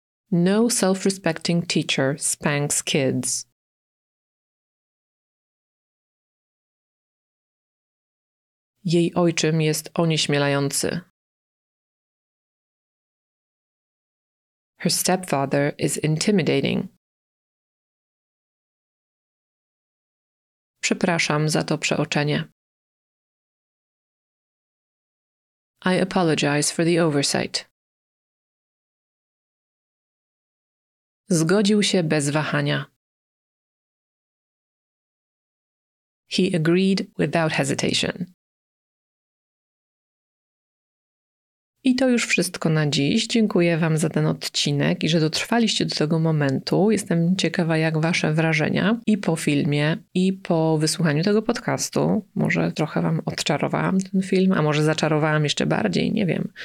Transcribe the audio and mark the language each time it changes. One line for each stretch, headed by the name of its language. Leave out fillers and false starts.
English: No self-respecting teacher spanks kids.
Polish: Jej ojczym jest onieśmielający.
English: Her stepfather is intimidating.
Polish: Przepraszam za to przeoczenie.
English: I apologize for the oversight.
Polish: Zgodził się bez wahania.
English: He agreed without hesitation.
Polish: I to już wszystko na dziś. Dziękuję Wam za ten odcinek i że dotrwaliście do tego momentu. Jestem ciekawa, jak Wasze wrażenia i po filmie, i po wysłuchaniu tego podcastu. Może trochę Wam odczarowałam ten film, a może zaczarowałam jeszcze bardziej, nie wiem.